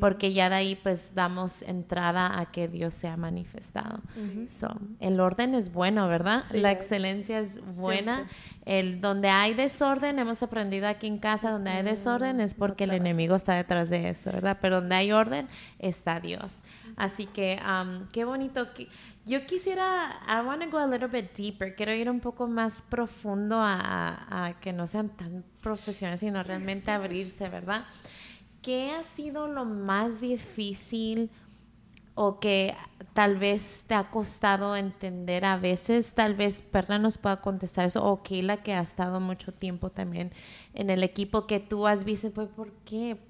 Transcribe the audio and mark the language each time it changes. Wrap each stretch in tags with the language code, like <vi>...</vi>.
<es>Porque ya de ahí, pues, damos entrada a que Dios sea manifestado. Uh-huh. So, el orden es bueno, ¿verdad? Sí, la excelencia es buena. El, donde hay desorden, hemos aprendido aquí en casa, donde hay desorden es porque no, claro. el enemigo está detrás de eso, ¿verdad? Pero donde hay orden, está Dios. Así que, qué bonito. Yo quisiera,</es> <en>I want to go a little bit deeper.</en> <es>Quiero ir un poco más profundo a que no sean tan profesionales, sino realmente abrirse, ¿verdad? ¿Qué ha sido lo más difícil o que tal vez te ha costado entender a veces? Tal vez Perla nos pueda contestar eso. O Keila, que ha estado mucho tiempo también en el equipo, que tú has visto, pues, ¿por qué?</es>